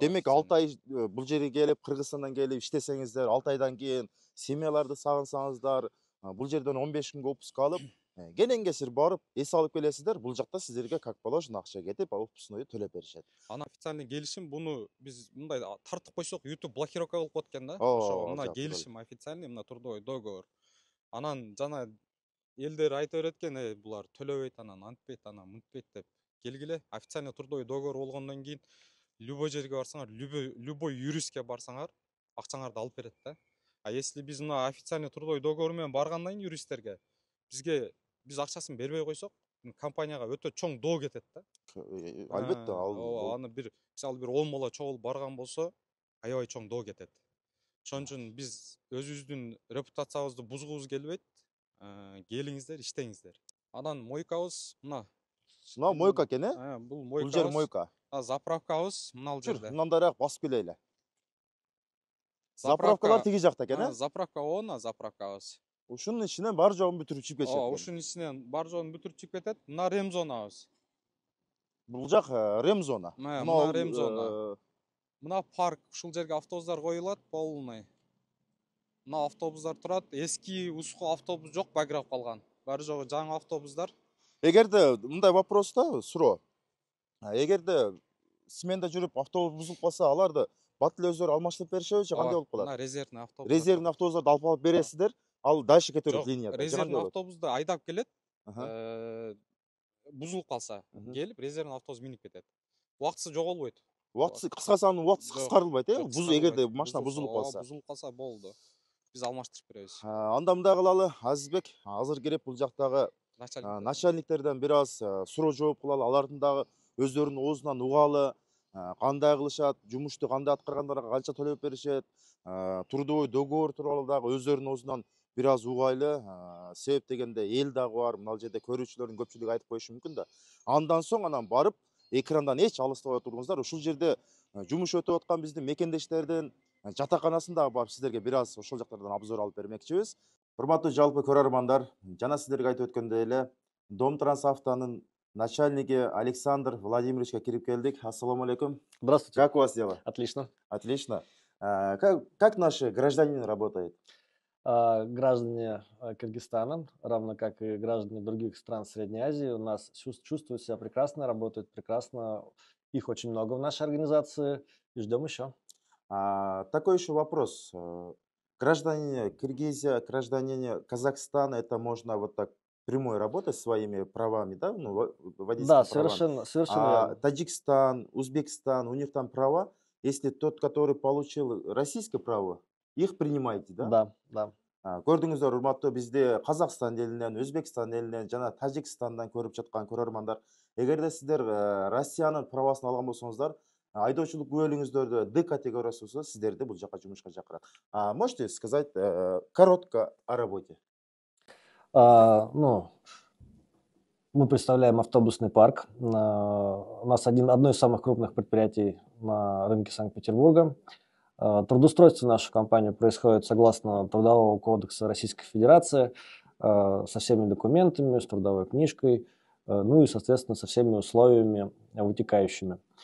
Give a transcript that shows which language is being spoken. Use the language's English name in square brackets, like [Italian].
[Kyrgyz] Демек 6 ай бул жерге келип, Кыргызстандан келип иштесеңиздер, 6 айдан кийин семьяларды сагынсаңыздар, бул жерден 15 күнгө отпуск алып, кенеңгесир барып эс алып келесиздер, бул жакта сиздерге [Russian] как положено [Kyrgyz] акча кетип отпускной төлөп беришет. Анан официальный келишим, буну биз мындай тартып койсок YouTube блокировка кылып коет экен да. Мына келишим официальный, мына трудовой договор. Анан жана элдер айта берет экен, булар төлөбөйт, анан антпейт, анан мынтпейт деп келгиле. Официальный трудовой договор болгондон кийин любой жерге барсаңар, любой юристке барсаңар акчаңарды алып берет да. А если биз мына официальный трудовой договор менен баргандан кийин юристтерге бизге биз акчасын бербей койсок, компанияга өтө чоң доо кетет да. Албетте, ал аны бир мисалы бир 10 мала чогул барган болсо, аябай чоң доо кетет. Ошон үчүн биз өзүбүздүн репутациябызды бузгубуз келбейт. Келиңиздер, иштеңиздер. Анан мойкабыз мына. Мынау мойка экен, э? Бул мойка. Бул жер мойка. А заправкабыз мынал жерде. Мындан дараак басып келейли. Заправкалар тиги жакта экен, э? Заправка оо, заправкабыз. Ушунун ичинен бар жогун бүтүрүп чыгып кетет. Оо, ушунун ичинен бар жогун бүтүрүп чыгып кетет. Мына ремзонабыз. Бул жак ремзона. Мына ремзона. Мына парк, ушул жерге автобустар коюлат, полный. Мына автобустар турат, эски уску автобус жок, багырап калган. Бар жогу жаңы автобустар. Эгерде мындай вопрос да, суроо. Эгерде сменде жүрүп автобус бузулуп калса, аларды бат эле өздөрү алмаштырып беришеби же кандай болуп калат? Мына резервный автобус. Резервный автобустарды алып алып бересиздер, ал дальше кетерлик линияда. Резервный автобусту айдап келет, бузулуп калса, келип резервный автобус минип кетет. Убактысы жоголбойт. Убактысы кыскасы анын убактысы кыскарылбайт, э? Буз эгерде машина бузулуп калса. Бузулуп калса болду. Биз алмаштырып беребиз. Анда мындай кылалы, Азизбек, азыр келип бул жактагы начальниктерден бир аз суроо жооп кылалы, алардын дагы өздөрүнүн оозунан угалы, кандай кылышат, жумушту кандай аткаргандарга канча төлөп беришет, трудовой договор тууралуу дагы өздөрүнүн оозунан бир аз угайлы. Себеп дегенде эл дагы бар, мына жерде көрүүчүлөрдүн көпчүлүгү айтып коюшу мүмкүн да. Андан соң анан барып экрандан эч алыстабай туруңуздар. Ушул жерде жумуш өтүп аткан биздин мекендештердин жатаканасында барып сиздерге бир аз ошол жактардан обзор алып бермекчибиз. Урматтуу жалпы көрөрмандар, жана сиздерге айтып өткөндөй эле Домтрансавтонун начальниги Александр Владимировичке кирип келдик. Ассалому алейкум. [Russian] Здравствуйте. Как у вас дела? Отлично. Отлично. Как наши граждане работают? Граждане Кыргызстана, равно как и граждане других стран Средней Азии, у нас чувствуют себя прекрасно, работают прекрасно. Их очень много в нашей организации и ждем еще. Такой еще вопрос. Граждане Киргизии, граждане Казахстана, это можно вот так прямой работать своими правами, да? Ну, водительские права. Да, совершенно. Таджикистан, Узбекистан, у них там права. Если тот, который получил российское право, их принимаете, да? Да, да. [Kyrgyz] Көрдүңүздөр, урматтуу, бизде Казахстан элинен, Өзбекстан элинен жана Таджикстандан көрүп жаткан көрөрмандар, эгерде сиздер Россиянын правасын алган болсоңуздар, айдоочулук күбөлүңүздөрдө Д категориясы болсо, сиздерди бул жака жумушка чакырат. [Russian] Можете сказать коротко о работе? Мы представляем автобусный парк. У нас одно из самых крупных предприятий на рынке Санкт-Петербурга. Трудоустройство нашей компании происходит согласно Трудового кодекса Российской Федерации, со всеми документами, с трудовой книжкой, ну и, соответственно, со всеми условиями вытекающими.